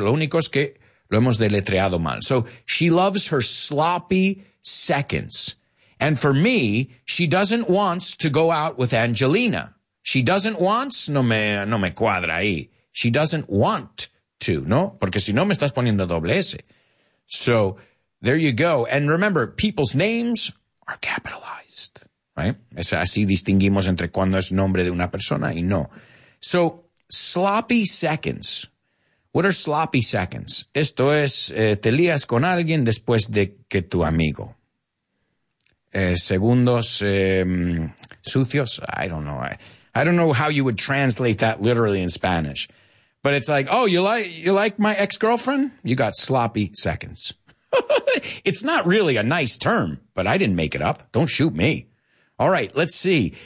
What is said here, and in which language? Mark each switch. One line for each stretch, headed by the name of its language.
Spanish: Lo único es que lo hemos deletreado mal.
English: So she loves her sloppy seconds. And for me, she doesn't want to go out with Angelina. She doesn't want,
Spanish: no me cuadra ahí.
English: She doesn't want to, ¿no?
Spanish: Porque si no, me estás poniendo doble S.
English: So there you go. And remember, people's names are capitalized. Right?
Spanish: Así distinguimos entre cuando es nombre de una persona y no.
English: So, sloppy seconds. What are sloppy seconds?
Spanish: Esto es, te lías con alguien después de que tu amigo. Segundos sucios.
English: I don't know. I don't know how you would translate that literally in Spanish. But it's like, oh, you like my ex-girlfriend? You got sloppy seconds. It's not really a nice term, but I didn't make it up. Don't shoot me. All right, let's see.